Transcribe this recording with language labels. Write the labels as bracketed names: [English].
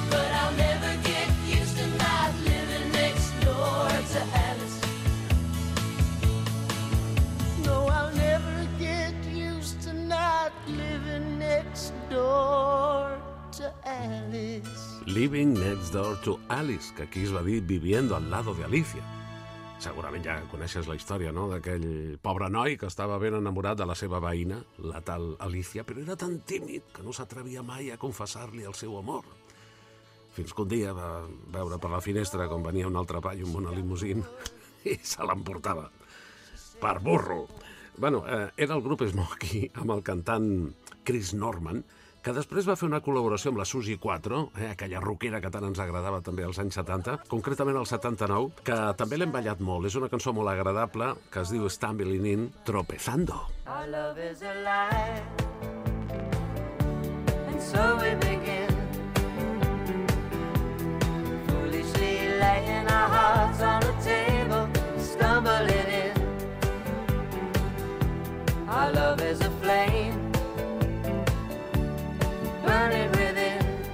[English] But I'll never get used to not living next door to Alice. No, I'll never get used to not living next door to Alice. [Catalan] Living next door to Alice, que aquí es va dir Viviendo al lado de Alicia. Segurament ja coneixes la història, no?, d'aquell pobre noi que estava ben enamorat de la seva veïna, la tal Alicia, però era tan tímid que no s'atrevia mai a confessar-li el seu amor. Fins que un dia va veure per la finestra com venia un altre paio amb una limusina i se l'emportava. Per burro! Bueno, era el grup Smokey amb el cantant Chris Norman, que després va fer una col·laboració amb la Suzy 4, aquella rockera que tant ens agradava també als anys 70, concretament al 79, que també l'hem ballat molt. És una cançó molt agradable que es diu Stumbling In, Tropezando. [English] Our love is a lie, and so we begin. Foolishly laying our hearts on the table, stumbling in. Our love is a flame, burning within.